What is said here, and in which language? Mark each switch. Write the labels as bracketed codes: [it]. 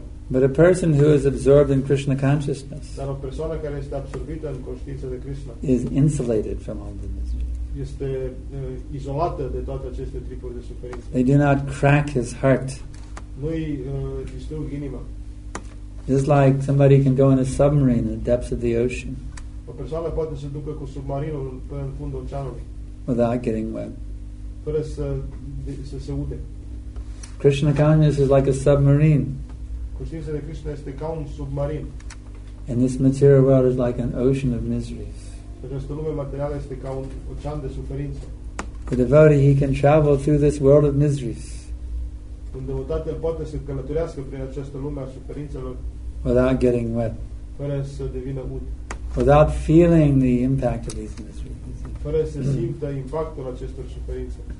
[en] But a person who is absorbed in Krishna consciousness is insulated from all the miseries. [ro] Isolată de toate aceste tipuri de suferință. [en] They do not crack his heart. [ro] Nu-i distrug inima. [en] Just like somebody can go in a submarine in the depths of the ocean. [ro] O persoană poate să ducă cu submarinul până în fundul oceanului. [en] Without getting wet. [ro] Fără să se ude. [en] Krishna consciousness is like a submarine. [ro] Conștiința de Krishna este ca un submarin. [en] And this material world is like an ocean of miseries. [ro] Această lume materială este ca un ocean de suferință. [en] The devotee, he can travel through this world of miseries. [ro] Un devotat poate să călătorească prin această lume a suferințelor. [en] Without getting wet. [ro] Fără să devină ud. [en] without feeling the impact of these miseries. [ro] Fără să simt impactul acestor suferințe.